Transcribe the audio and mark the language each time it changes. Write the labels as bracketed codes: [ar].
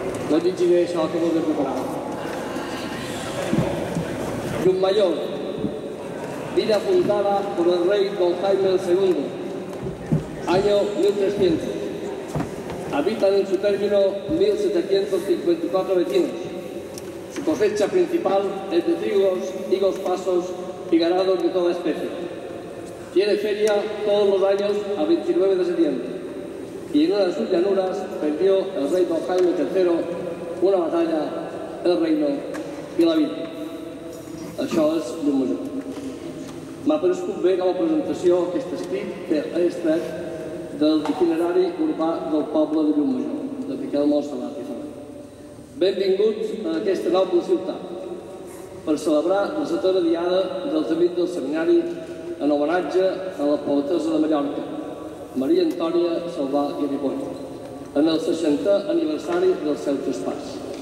[ca] No et digui això que vol dir preparar. [es] Llummayor, vida apuntada por el rey Don Jaime II, año 1300. Habitan en su término 1754 vecinos. Su cosecha principal es de trigos, higos pasos y ganados de toda especie. Tiene feria todos los años a 29 de septiembre. Y en una de sus llanuras perdió el rey Don Jaime III una batalla, el reino y la vida. [ca] Això és Llummayor. M'ha prescut bé que la presentació, aquest escrit, que ha estat del itinerari urbà del poble de Llummayor, de Miquel Montserrat. Benvinguts a aquesta noble ciutat per celebrar la setena diada dels amics del seminari en homenatge a la poetessa de Mallorca, Maria Antònia Salvà i Ripoll, en el 60è aniversari del seu traspàs.